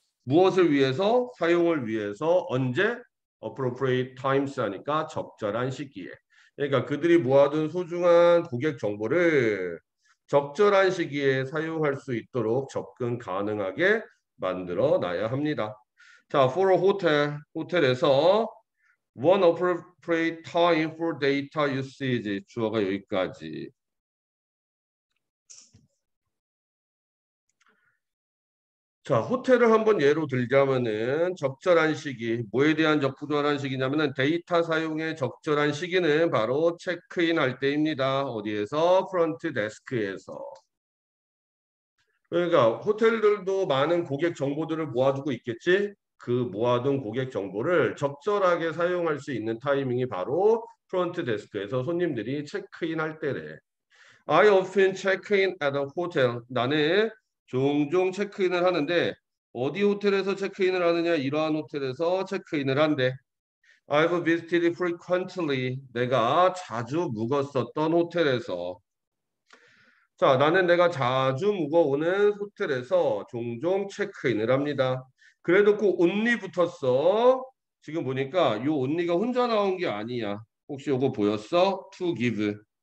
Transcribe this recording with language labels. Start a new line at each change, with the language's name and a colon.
Korean: 무엇을 위해서? 사용을 위해서. 언제?
English: appropriate times
Korean: 하니까 적절한 시기에. 그러니까 그들이 모아둔 소중한 고객 정보를 적절한 시기에 사용할 수 있도록 접근 가능하게 만들어 놔야 합니다.
English: 자, for a hotel, 호텔에서 one appropriate time for data usage,
Korean: 주어가 여기까지. 자, 호텔을 한번 예로 들자면은 적절한 시기, 뭐에 대한 적절한 시기냐면은 데이터 사용에 적절한 시기는 바로 체크인 할 때입니다. 어디에서? 프런트 데스크에서. 그러니까 호텔들도 많은 고객 정보들을 모아두고 있겠지? 그 모아둔 고객 정보를 적절하게 사용할 수 있는 타이밍이 바로 프런트 데스크에서 손님들이 체크인 할 때래.
English: I often check in at a hotel.
Korean: 나는 종종 체크인을 하는데 어디 호텔에서 체크인을 하느냐, 이러한 호텔에서 체크인을 한대.
English: I've visited frequently.
Korean: 내가 자주 묵었었던 호텔에서. 자, 나는 내가 자주 묵어오는 호텔에서 종종 체크인을 합니다. 그래도 꼭 언니 붙었어. 지금 보니까 요 언니가 혼자 나온 게 아니야. 혹시 요거 보였어?
English: To give.